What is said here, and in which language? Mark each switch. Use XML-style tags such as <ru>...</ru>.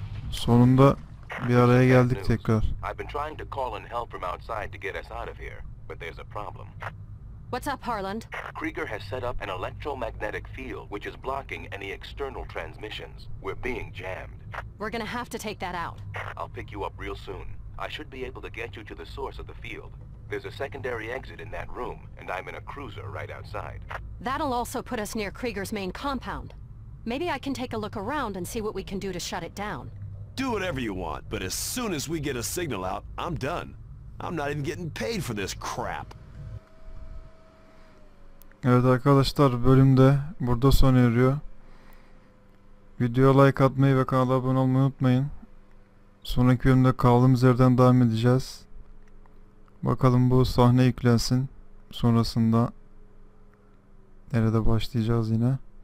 <tr>Sonunda bir araya geldik tekrar.</tr> <en>I've been trying to call in help from outside to get us out of here, but there's a problem. What's up, Harland? Krieger has set up an electromagnetic field which is blocking any external transmissions. We're being jammed. We're gonna have to take that out. I'll pick you up real soon. I should be able to get you to the source of the field. There's a secondary exit in that room, and I'm in a cruiser right outside. That'll also put us near Krieger's main compound. Maybe I can take a look around and see what we can do to shut it down. Do whatever you want, but as soon as we get a signal out, I'm done. I'm not even getting paid for this crap.</en> <tr>Evet arkadaşlar, bölümde burada sona eriyor. Videoya like atmayı ve kanala abone olmayı unutmayın. Sonraki bölümde kaldığımız yerden devam edeceğiz. Bakalım bu sahne yüklensin. Sonrasında nerede başlayacağız yine?</tr>